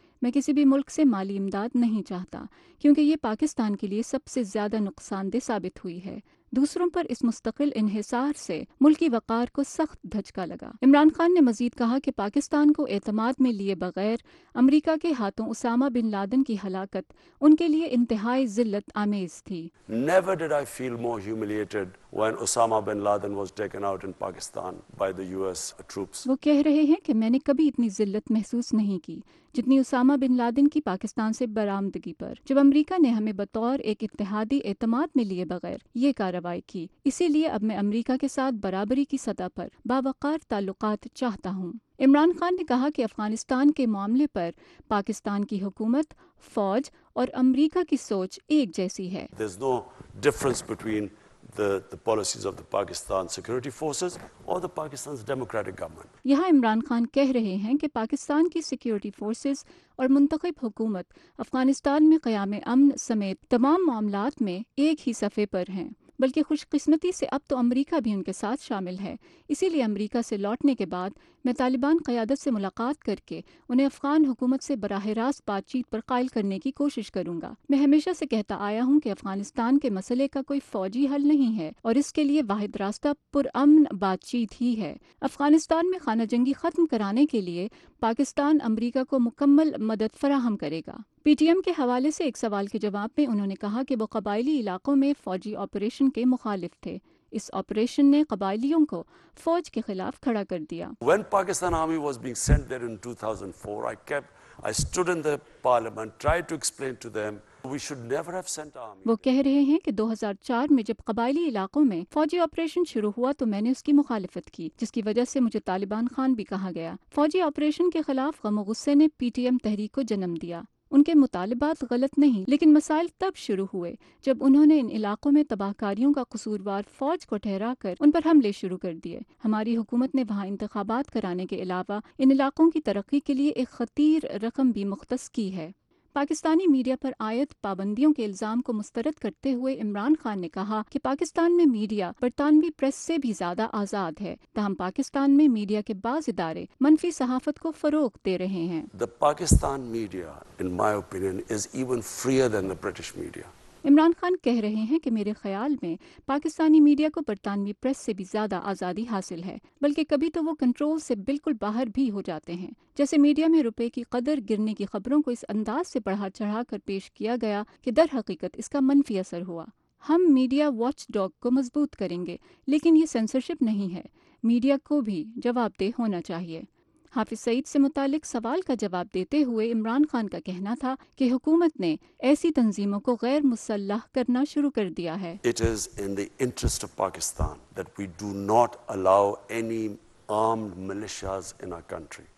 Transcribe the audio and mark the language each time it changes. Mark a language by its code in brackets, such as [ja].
[ur] میں کسی بھی ملک سے مالی امداد نہیں چاہتا، کیونکہ یہ پاکستان کے لیے سب سے زیادہ نقصان دہ ثابت ہوئی ہے۔ دوسروں پر اس مستقل انحصار سے ملکی وقار کو سخت دھچکا لگا۔ عمران خان نے مزید کہا کہ پاکستان کو اعتماد میں لیے بغیر امریکہ کے ہاتھوں اسامہ بن لادن کی ہلاکت ان کے لیے انتہائی ذلت آمیز تھی۔ [en] Never did I feel more humiliated when Osama bin Laden was taken out in Pakistan by the US troops. [ur] وہ کہہ رہے ہیں کہ میں نے کبھی اتنی ذلت محسوس نہیں کی جتنی اسامہ بن لادن کی پاکستان سے برآمدگی پر، جب امریکہ نے ہمیں بطور ایک اتحادی اعتماد میں لیے بغیر یہ کارروائی کی۔ اسی لیے اب میں امریکہ کے ساتھ برابری کی سطح پر باوقار تعلقات چاہتا ہوں۔ عمران خان نے کہا کہ افغانستان کے معاملے پر پاکستان کی حکومت، فوج اور امریکہ کی سوچ ایک جیسی ہے۔ [en] There's no difference between the policies of the Pakistan security forces or the Pakistan's democratic government. [ur] یہاں عمران خان کہہ رہے ہیں کہ پاکستان کی سیکیورٹی فورسز اور منتخب حکومت افغانستان میں قیام امن سمیت تمام معاملات میں ایک ہی صفحے پر ہیں، بلکہ خوش قسمتی سے اب تو امریکہ بھی ان کے ساتھ شامل ہے۔ اسی لیے امریکہ سے لوٹنے کے بعد میں طالبان قیادت سے ملاقات کر کے انہیں افغان حکومت سے براہ راست بات چیت پر قائل کرنے کی کوشش کروں گا۔ میں ہمیشہ سے کہتا آیا ہوں کہ افغانستان کے مسئلے کا کوئی فوجی حل نہیں ہے اور اس کے لیے واحد راستہ پرامن بات چیت ہی ہے۔ افغانستان میں خانہ جنگی ختم کرانے کے لیے پاکستان امریکہ کو مکمل مدد فراہم کرے گا۔ پی ٹی ایم کے حوالے سے ایک سوال کے جواب میں انہوں نے کہا کہ وہ قبائلی علاقوں میں فوجی آپریشن کے مخالف تھے۔ اس آپریشن نے قبائلیوں کو فوج کے خلاف کھڑا کر دیا. [en] When Pakistan Army was being sent there in 2004, I stood in the parliament, tried to explain to them we should never have sent army. [ur] وہ کہہ رہے ہیں کہ 2004 میں جب قبائلی علاقوں میں فوجی آپریشن شروع ہوا تو میں نے اس کی مخالفت کی، جس کی وجہ سے مجھے طالبان خان بھی کہا گیا. فوجی آپریشن کے خلاف غم و غصے نے پی ٹی ایم تحریک کو جنم دیا. ان کے مطالبات غلط نہیں، لیکن مسائل تب شروع ہوئے جب انہوں نے ان علاقوں میں تباہ کاریوں کا قصوروار فوج کو ٹھہرا کر ان پر حملے شروع کر دیے. ہماری حکومت نے وہاں انتخابات کرانے کے علاوہ ان علاقوں کی ترقی کے لیے ایک خطیر رقم بھی مختص کی ہے. پاکستانی میڈیا پر عائد پابندیوں کے الزام کو مسترد کرتے ہوئے عمران خان نے کہا کہ پاکستان میں میڈیا برطانوی پریس سے بھی زیادہ آزاد ہے، تاہم پاکستان میں میڈیا کے بعض ادارے منفی صحافت کو فروغ دے رہے ہیں. [en] The Pakistan media, in my opinion, is even freer than the British media. [ur] Imran Khan کہہ رہے ہیں کہ میرے خیال میں پاکستانی میڈیا کو برطانوی پریس سے بھی زیادہ آزادی حاصل ہے، بلکہ کبھی تو وہ کنٹرول سے بالکل باہر بھی ہو جاتے ہیں. جیسے میڈیا میں روپے کی قدر گرنے کی خبروں کو اس انداز سے بڑھا چڑھا کر پیش کیا گیا کہ در حقیقت اس کا منفی اثر ہوا. ہم میڈیا واچ ڈاگ کو مضبوط کریں گے، لیکن یہ سینسرشپ نہیں ہے. میڈیا کو بھی جواب دہ ہونا چاہیے. حافظ سعید سے متعلق سوال کا جواب دیتے ہوئے عمران خان کا کہنا تھا کہ حکومت نے ایسی تنظیموں کو غیر مسلح کرنا شروع کر دیا ہے. [en] It is in the interest of Pakistan that we do not allow any armed militias in our country.